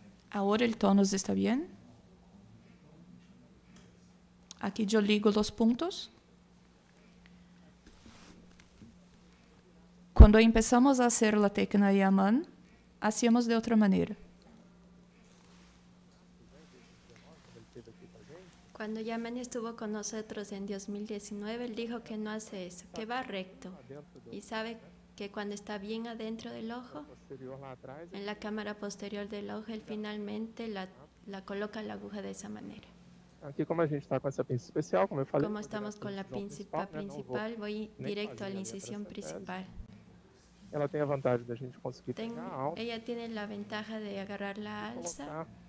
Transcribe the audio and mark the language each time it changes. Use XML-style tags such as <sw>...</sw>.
<pt>Agora, o tônus está bem. Aqui, eu ligo os pontos. Quando começamos a fazer a técnica Yaman, fazíamos de outra maneira.</pt> <es>Cuando Yaman estuvo con nosotros en 2019, él dijo que no hace eso, que va recto. Y sabe que cuando está bien adentro del ojo, en la cámara posterior del ojo, él finalmente la coloca la aguja de esa manera.</es> <pt>Aquí como a gente está</pt> <es>con esa pinza especial,</es> <pt>como, falei,</pt> <es>como estamos con la pinza principal, voy directo a la incisión principal.</es> <pt>Ela tem a vantagem de a gente conseguir pegar a alça.</pt> <es>Ella tiene la ventaja de agarrar la alza.</es>